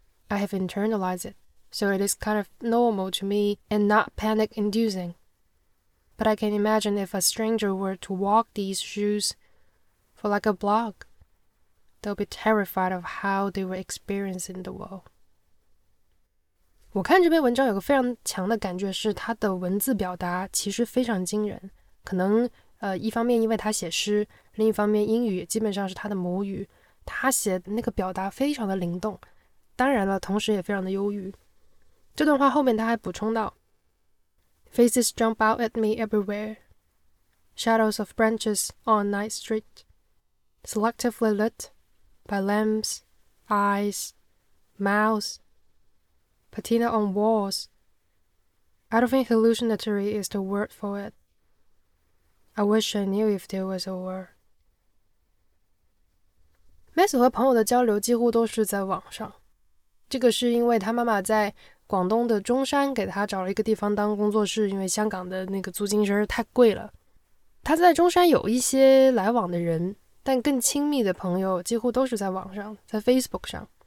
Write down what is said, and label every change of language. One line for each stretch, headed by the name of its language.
English: I have internalized it, so it is kind of normal to me and not panic-inducing. But I can imagine if a stranger were to walk these shoes for like a block, they'll be terrified of how they were experiencing the world.
Chinese: 我看这篇文章有个非常强的感觉，是他的文字表达其实非常惊人。可能一方面因为他写诗，另一方面英语基本上是他的母语，他写那个表达非常的灵动，当然了，同时也非常的忧郁。这段话后面他还补充到，
English: Faces jump out at me everywhere, shadows of branches on night street, selectively lit by lamps, eyes, mouths, patina on walls. I don't think hallucinatory is the word for it. I wish I knew if there was a word.
Chinese: Matthew 和朋友的交流几乎都是在网上，这个是因为他妈妈在广东的中山给他找了一个地方当工作室，因为香港的那个租金真是太贵了。他在中山有一些来往的人，但更亲密的朋友几乎都是在网上，在 Facebook 上。